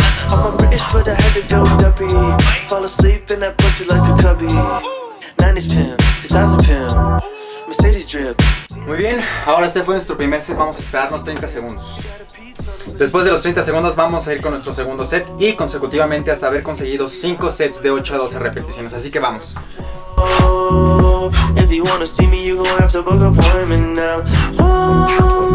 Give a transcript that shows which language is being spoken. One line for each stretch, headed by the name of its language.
English: I'm a British but I had to go duppy. Fall asleep in that pussy like a cubby. 90s pimp, 2000 pimp. Mercedes drip.
Spanish: Muy bien, ahora este fue nuestro primer set. Vamos a esperarnos 30 segundos. Después de los 30 segundos vamos a ir con nuestro segundo set, y consecutivamente hasta haber conseguido 5 sets de 8 a 12 repeticiones. Así que vamos.
English: Oh, if you wanna see me you gonna have to book appointment now.